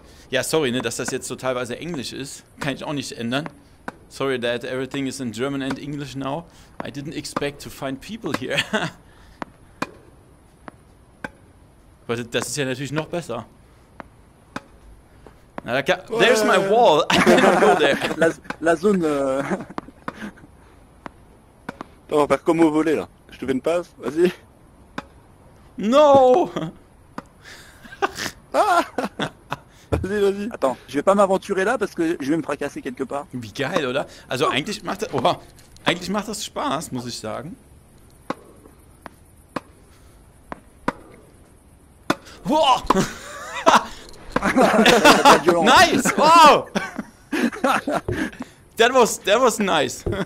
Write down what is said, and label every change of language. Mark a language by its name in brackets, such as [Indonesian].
[German] Ja, sorry, ne, dass das jetzt so teilweise Englisch ist. Kann ich auch nicht ändern. [English] Sorry that everything is in German and English now. I didn't expect to find people here. But [German] das ist ja natürlich noch besser. [English] There's my wall. I didn't go there. [French] La zone. Attends, on va faire comme au volet là. Je te fais une passe, vas-y. [English] No. [French] Vas-y. Attends, je vais pas m'aventurer là parce que je vais me fracasser quelque part. [German] Wie geil, oder? Also eigentlich macht das Spaß, muss ich sagen. [English] Wow! Nice! Wow! That was nice.